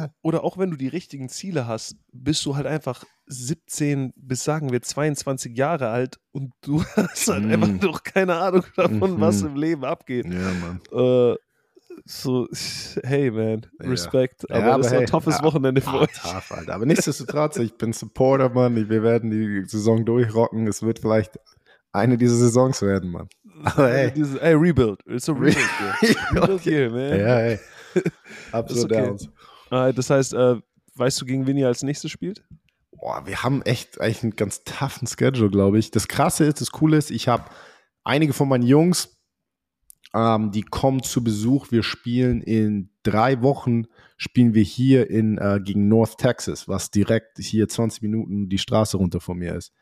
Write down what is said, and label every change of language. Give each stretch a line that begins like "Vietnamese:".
German: Weil du, oder auch wenn du die richtigen Ziele hast, bist du halt einfach 17 bis, sagen wir, 22 Jahre alt und du hast halt einfach noch keine Ahnung davon, was im Leben abgeht. Ja, Mann. So, hey man, Respekt, ja. Aber ja, das war ein toughes Wochenende für euch. Tough, Alter. Aber nichtsdestotrotz, ich bin Supporter, Mann, wir werden die Saison durchrocken, es wird vielleicht eine dieser Saisons werden, Mann.
English: Hey, Rebuild, it's a Rebuild. Okay. Okay, man. Ja, hey. Absolut. Okay. Downs.
German: Das heißt, weißt du, gegen wen ihr als nächstes spielt? Boah, wir haben echt eigentlich einen ganz toughen Schedule, glaube ich. Das Krasse ist, das Coole ist, ich habe einige von meinen Jungs, die kommen zu Besuch. Wir spielen in 3 Wochen, spielen wir hier gegen North Texas, was direkt hier 20 Minuten die Straße runter von mir ist.